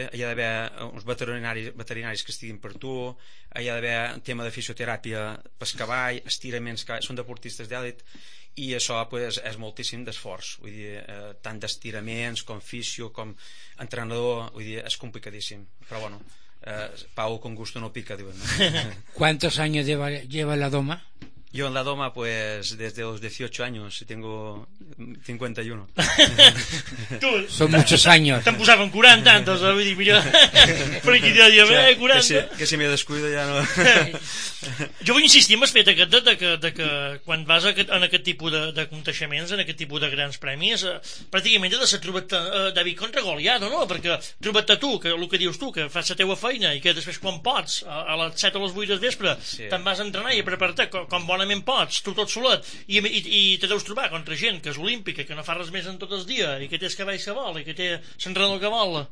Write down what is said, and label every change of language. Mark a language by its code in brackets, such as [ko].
[ca] hi ha d'haver uns veterinaris que estiguin per tu, hi ha d'haver un tema de fisioteràpia pel cavall, estiraments, que són deportistes d'èlit, i això, pues, és moltíssim d'esforç, vull dir, tant d'estiraments com fisio, com entrenador, vull dir, és complicadíssim, però bueno... Pau [es] con gusto no pica, [ca] diuen. [es] ¿Cuántos años lleva la doma? Yo en la doma, pues, desde los 18 años, tengo 51. Tú, son muchos años. Te han puesto con 40, entonces, ¿no? Voy a decir, mira, por aquí te lo digo, o sea, 40. Que si me descuido ya no... Yo voy a insistir [ca] en el fet aquest de que quan vas en aquest tipus de aconteixements, en aquest tipus de grans premis, pràcticament de ser trobat David contra Goliado, no? Perquè trobat tu, que el que dius tu, que fas la teva feina i que després quan pots, a les 7 o les 8 del vespre, sí, te'n vas a entrenar i a preparar-te com bonament pots, tu tot solet, i te deus trobar contra gent que és olímpica, que no fa res més en tot el dia, i que té el cavall que vol, i que té l'entrenador que vol.